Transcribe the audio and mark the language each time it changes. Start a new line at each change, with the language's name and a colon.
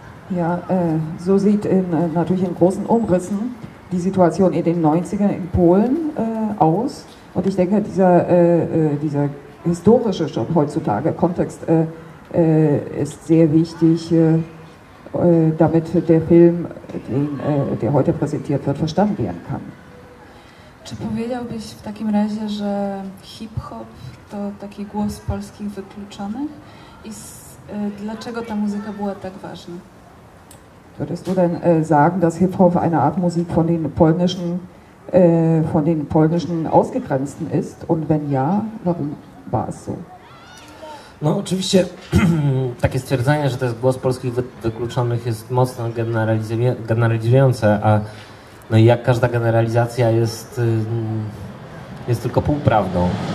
German: Ja, so sieht in natürlich in großen Umrissen die Situation in den 90ern in Polen aus. Und ich denke, dieser historische schon heutzutage Kontext ist sehr wichtig, damit der Film, der heute präsentiert wird, verstanden werden kann.
Polish: Czy powiedziałbyś w takim razie, że hip-hop to taki głos polskich wykluczonych? I dlaczego ta muzyka była tak ważna?
German: Würdest du denn sagen, dass Hip-Hop eine Art Musik von den polnischen Ausgegrenzten ist? Und wenn ja, warum war es so?
Polish: No oczywiście takie stwierdzenie, że to jest głos polskich wykluczonych, jest mocno generalizujące, a no i jak każda generalizacja jest tylko półprawdą.